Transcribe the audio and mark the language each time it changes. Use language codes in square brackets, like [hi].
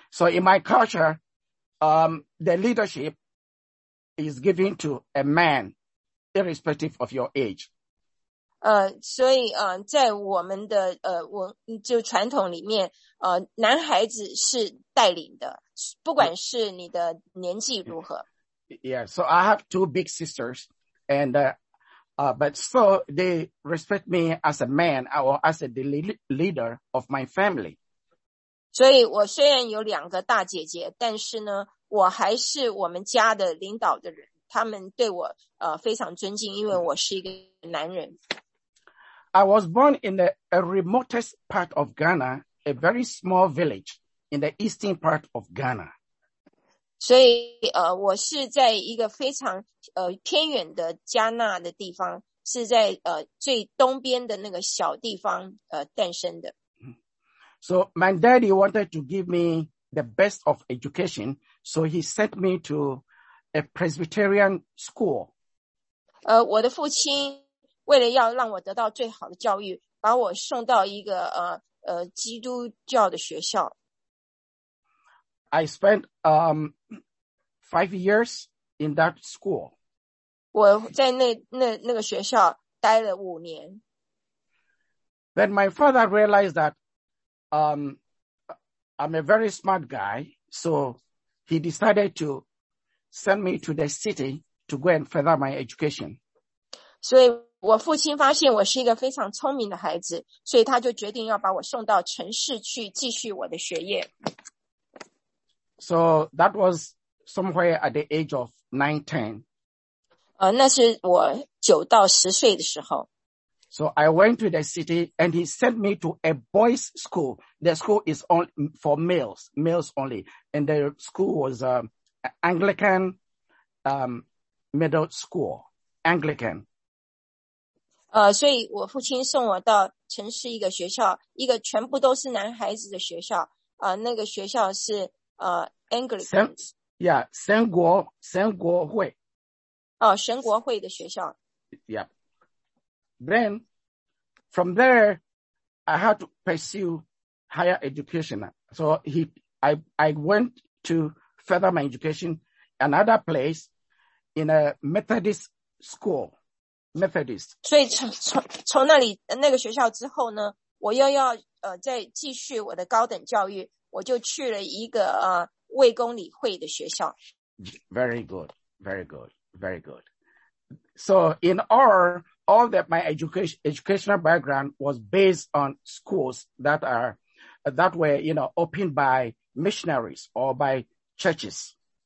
[en] So in my culture, the leadership is given to a man, irrespective of your age. [zh] 所以在我们的就传统里面，男孩子是带领的，不管是你的年纪如何。 [en] Yeah. So I have two big sisters, and but so they respect me as a man or as the leader of my family. [zh] 所以我虽然有两个大姐姐，但是呢，我还是我们家的领导的人。他们对我非常尊敬，因为我是一个男人。 [en] I was born in a remotest part of Ghana, a very small village in the eastern part of Ghana. [zh] 所以我是在一个非常偏远的加纳的地方，是在最东边的那个小地方诞生的。 [en] So my daddy wanted to give me the best of education, so he sent me to a Presbyterian school. [zh] 我的父亲为了要让我得到最好的教育，把我送到一个基督教的学校。 [en] I spent 5 years in that school. [zh] 我在那个学校待了五年。 [en] Then my father realized that I'm a very smart guy, so he decided to send me to the city to go and further my education. [zh] 所以我父亲发现我是一个非常聪明的孩子，所以他就决定要把我送到城市去继续我的学业。 [en] So that was somewhere at the age of 9, 10. [zh] 那是我九到十岁的时候。 [en] So I went to the city and he sent me to a boys' school. The school is only for males, males only. And the school was Anglican middle school, Anglican. [zh] 所以我父亲送我到城市一个学校，一个全部都是男孩子的学校。那个学校是Anglican. [en] Yeah, [zh] 神国会。神国会的学校。 [en] Yeah. Then, from there, I had to pursue higher education. So I went to further my education another place in a Methodist school, Methodist. [zh] 所以从那里那个学校之后呢，我又要再继续我的高等教育，我就去了一个卫公理会的学校。 [en] Very good, very good, very good. So in all that my educational background was based on schools that were, you know, opened by missionaries or by churches.